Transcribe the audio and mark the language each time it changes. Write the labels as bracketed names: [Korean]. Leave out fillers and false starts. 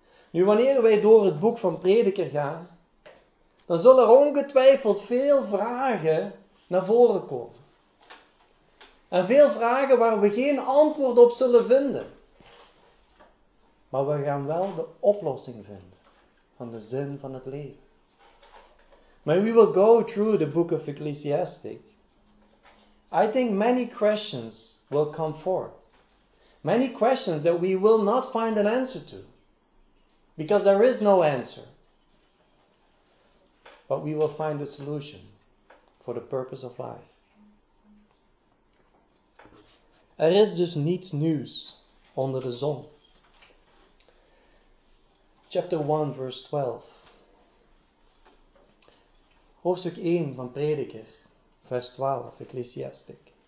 [Dutch] Nu, wanneer wij door het boek van Prediker gaan, dan zullen er ongetwijfeld veel vragen naar voren komen. En veel vragen waar we geen antwoord op zullen vinden. Maar we gaan wel de oplossing vinden van de zin van het leven. [English] Maar we will go through the book of Ecclesiastes. I think many questions will come forth. Many questions that we will not find an answer to. Because there is no answer. But we will find a solution for the purpose of life. [Dutch] Er is dus niets nieuws onder de zon. [English] Chapter 1, verse 12. [Dutch] Hoofdstuk 1 van Prediker, vers 12, Ecclesiastic.